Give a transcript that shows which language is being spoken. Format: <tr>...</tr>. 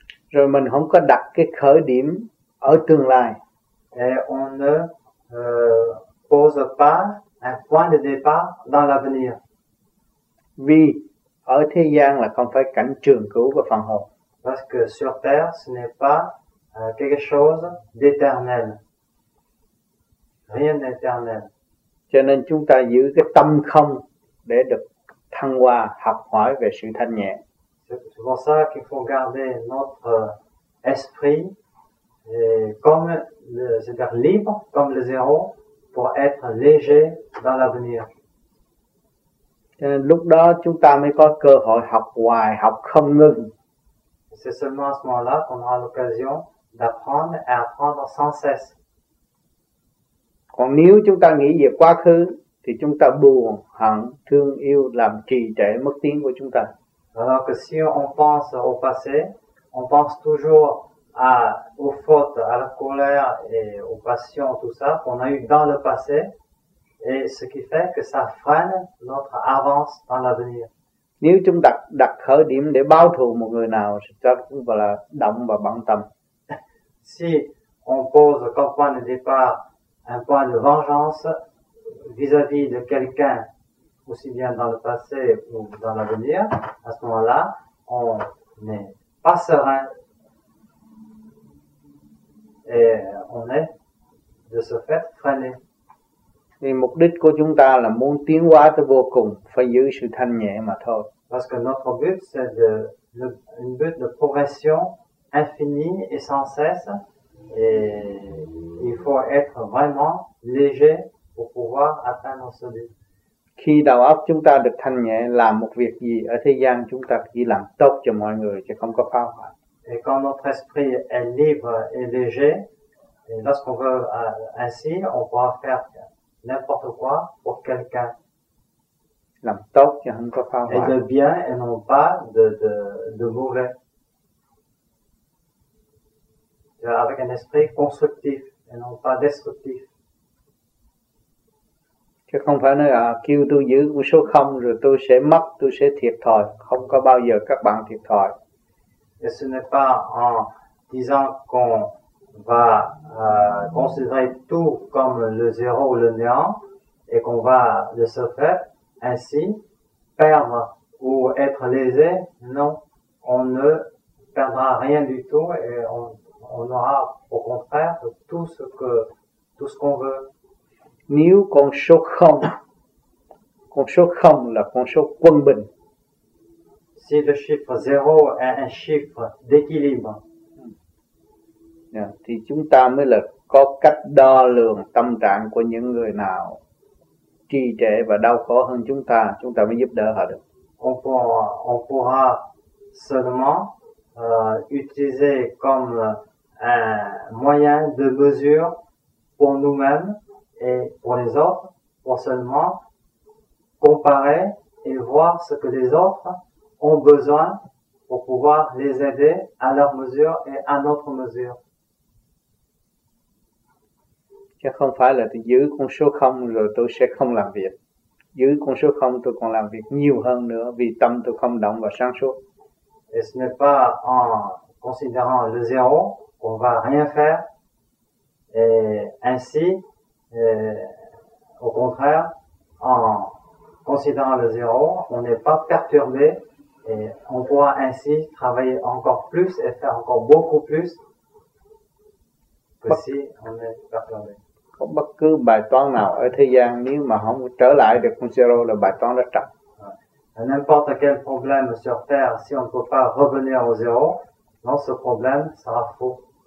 <vi>Rồi mình không có đặt cái khởi điểm ở tương lai.</vi> <fr>Et on ne pose pas un point de départ dans l'avenir.</fr> <vi>Vì ở thế gian là không phải cảnh trường cửu của phần hồn.</vi> <fr>Parce que sur terre ce n'est pas quelque chose d'éternel. Rien d'éternel.</fr> <vi>Cho nên chúng ta giữ cái tâm không để được thăng hoa, học hỏi về sự thanh nhẹ.</vi> <fr>C'est pour ça qu'il faut garder notre esprit comme le, c'est-à-dire libre comme le zéro pour être léger dans l'avenir.</fr> <vi>Cho nên lúc đó chúng ta mới có cơ hội học hoài, học không ngừng.</vi> <fr>C'est seulement à ce moment-là qu'on aura l'occasion d'apprendre et apprendre sans cesse.</fr> <vi>Còn nếu chúng ta nghĩ về quá khứ thì chúng ta buồn, hận, thương yêu làm trì trệ mất tiếng của chúng ta.</vi> <fr>Alors que si on pense au passé, on pense toujours à, aux fautes, à la colère et aux passions, tout ça qu'on a eu dans le passé, et ce qui fait que ça freine notre avance dans l'avenir.</fr> <vi>Nếu chúng ta đặt khởi điểm để báo thù một người nào, thì ta cũng gọi là động và bận tâm.</vi> <fr>Si on pose comme point de départ un point de vengeance vis-à-vis de quelqu'un, aussi bien dans le passé ou dans l'avenir, à ce moment-là, on n'est pas serein. Et on est, de ce fait, freiné. Et</fr> <vi>mục đích của chúng ta là muốn tiến hóa tới vô cùng, phải giữ sự thanh nhẹ mà thôi.</vi> <fr>Parce que notre but, c'est de, un but de progression infinie et sans cesse. Et il faut être vraiment léger pour pouvoir atteindre ce but.</fr> <vi>Khi đầu óc chúng ta được thanh nhẹ, làm một việc gì ở thế gian chúng ta chỉ làm tốt cho mọi người chứ không có phá hoại.</vi> <fr>Et quand notre esprit est libre et léger, et lorsqu'on veut ainsi, on pourra faire n'importe quoi pour quelqu'un.</fr> <vi>Làm tốt chứ không có phá hoại.</vi> <fr>Et de bien et non pas de mauvais. Avec un esprit constructif et non pas destructif.</fr> <vi>Chứ không phải nói là kêu tôi giữ con số 0 rồi tôi sẽ mất, tôi sẽ thiệt thòi. Không có bao giờ các bạn thiệt thòi.</vi> <fr>Et ce n'est pas en disant qu'on va considérer tout comme le zéro ou le néant et qu'on va de ce fait ainsi perdre ou être lésé, non, on ne perdra rien du tout et on aura au contraire tout ce qu'on veut.</fr> <vi>Nếu con số 0 là con số quân bình.</vi> <fr>Si le chiffre 0 est un chiffre d'équilibre.</fr> <vi>Yeah, thì chúng ta mới là có cách đo lường tâm trạng của những người nào trì trệ và đau khổ hơn chúng ta mới giúp đỡ họ được.</vi> <fr>On pourra seulement utiliser comme un moyen de mesure pour nous-mêmes et pour les autres, pour seulement comparer et voir ce que les autres ont besoin pour pouvoir les aider à leur mesure et à notre mesure.</fr> <vi>Chứ không phải là tôi giữ con số 0 rồi tôi sẽ không làm việc. Giữ con số 0 tôi còn làm việc nhiều hơn nữa vì tâm tôi không động và sáng suốt.</vi> <fr>Et ce n'est pas en considérant le zéro qu'on va rien faire. Et ainsi, au contraire, en considérant le zéro, on n'est pas perturbé et on pourra ainsi travailler encore plus et faire encore beaucoup plus que si on est perturbé.</fr> <vi>Có bất cứ bài toán nào ở thế gian nếu mà không trở lại được con zero là bài toán rất trọng.</vi> <fr>N'importe quel problème sur terre, si on ne peut pas revenir au zéro, non, ce problème sera faux.</fr>